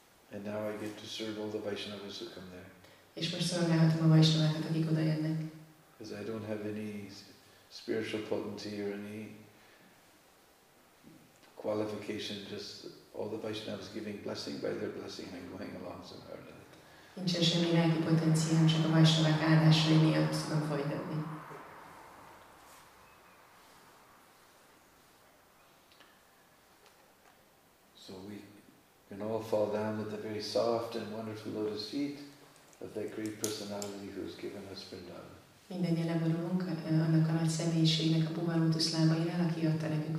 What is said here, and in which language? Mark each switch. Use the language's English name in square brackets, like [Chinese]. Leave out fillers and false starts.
[English] And now I get to serve all the Vaishnavas who come there. Because I don't have any spiritual potency or any qualification, just all the Vaishnavas giving blessing by their blessing and going along somehow. [Hungarian] Nincsen semmi lelki potenciál, csak a Vaishnavák áldásai miatt tudom folytatni. [English] So we can all fall down at the very soft and wonderful lotus feet of that great personality who has given us Vrindavan. [Hungarian] Minden leborulunk annak a nagy személyiségnek a puha lótusz lábainál, aki adta nekünk